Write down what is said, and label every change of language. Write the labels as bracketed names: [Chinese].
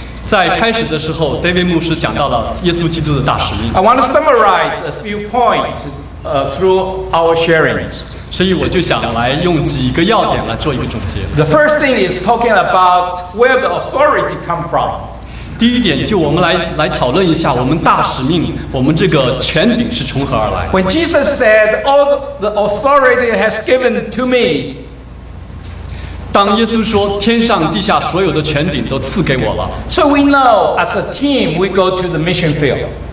[English] I want to summarize a few points through our sharings. The first thing is talking about where the authority comes from. [Chinese] 第一点，就我们来讨论一下我们大使命，我们这个权柄是从何而来。 [English] When Jesus said, "All the authority has given to me," [Chinese] 当耶稣说天上地下所有的权柄都赐给我了。 [English] So we know as a team we go to the mission field.